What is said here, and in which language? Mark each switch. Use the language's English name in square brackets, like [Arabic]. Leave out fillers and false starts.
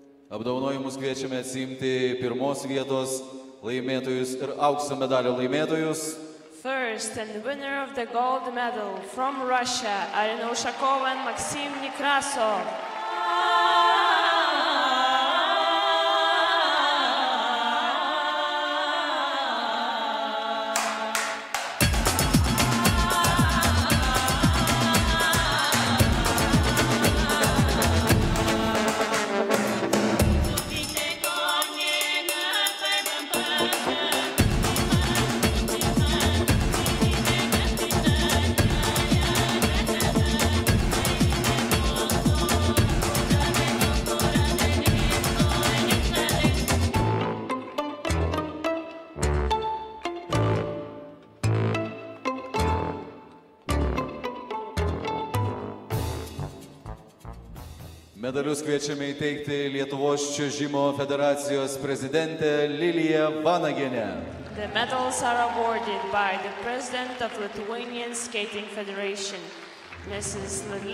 [Lithuanian] Apdovanojimus kviečiame atsiimti pirmos vietos laimėtojus ir aukso medalio laimėtojus. [English] First and winner of the gold medal from Russia, Arina Ushakova and Maxim Nekrasov. [Lithuanian] Medalius kviečiame įteikti Lietuvos čiuožimo federacijos prezidentę Liliją Vanagienę. [English] The medals are awarded by the president of Lithuanian Skating Federation, Mrs.